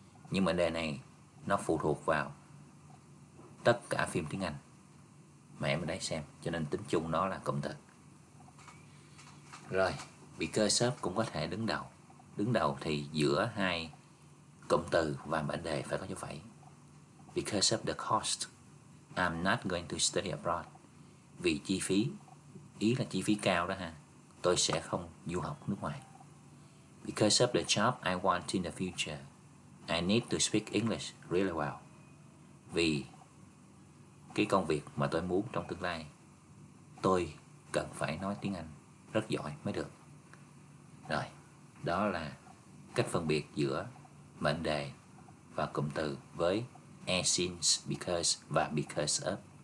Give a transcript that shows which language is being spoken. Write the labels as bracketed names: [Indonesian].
[Vietnamese] Nhưng mà đề này nó phụ thuộc vào tất cả phim tiếng Anh mà em ở đấy xem, cho nên tính chung nó là cụm từ. Rồi, because of cũng có thể đứng đầu. Đứng đầu thì giữa hai cụm từ và mệnh đề phải có như vậy. [English] Because of the cost, I'm not going to study abroad. [Vietnamese] Vì chi phí, ý là chi phí cao đó ha, tôi sẽ không du học nước ngoài. [English] Because of the job I want in the future, I need to speak English really well. [Vietnamese] Vì cái công việc mà tôi muốn trong tương lai, tôi cần phải nói tiếng Anh rất giỏi mới được. Rồi, đó là cách phân biệt giữa mệnh đề và cụm từ với and since, because và because of.